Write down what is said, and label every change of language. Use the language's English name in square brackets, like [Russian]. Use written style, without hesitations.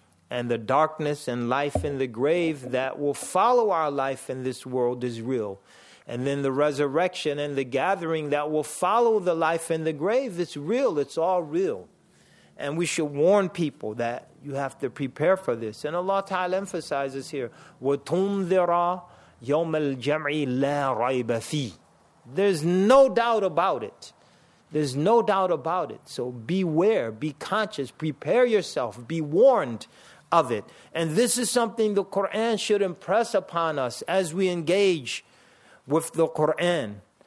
[English] And the darkness and life in the grave that will follow our life in this world is real. And then the resurrection and the gathering that will follow the life in the grave is real. It's all real. And we should warn people that you have to prepare for this. And Allah Ta'ala emphasizes here, [Arabic] وَتُنذِرَ يَوْمَ الْجَمْعِ لَا رَيْبَ فِي. [English] There's no doubt about it. There's no doubt about it. So beware, be conscious, prepare yourself, be warned of it. And this is something the Quran should impress upon us as we engage with the Quran.